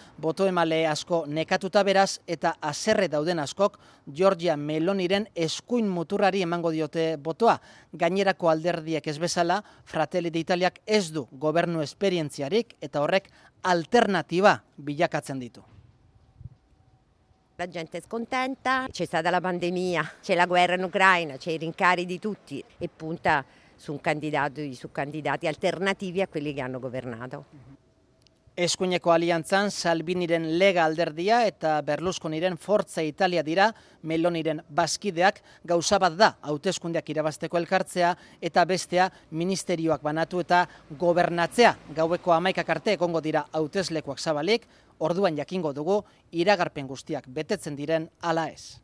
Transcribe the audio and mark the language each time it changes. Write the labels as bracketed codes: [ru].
[eu] Botoemale asko nekatuta beraz eta haserre dauden askok Giorgia Meloniren eskuin muturari emango diote botoa. Gainerako alderdiek ez bezala, Fratelli d'Italiak ez du gobernu esperientzia eta horrek alternativa bilakatzen ditu. [it] La gente è scontenta, c'è stata la pandemia, c'è la guerra in Ucraina, c'è i rincari di tutti e punta su un candidato e su candidati alternativi a quelli che hanno governato. [eu] Eskuineko aliantzan Salviniren Lega alderdia eta Berlusconiren Forza Italia dira Meloniren bazkideak, gauza bat da hauteskundeak irabazteko elkartzea eta bestea ministerioak banatu eta gobernatzea. Gaueko 11 arte egongo dira hauteslekuak zabalik, orduan jakingo dugu iragarpen guztiak betetzen diren ala ez.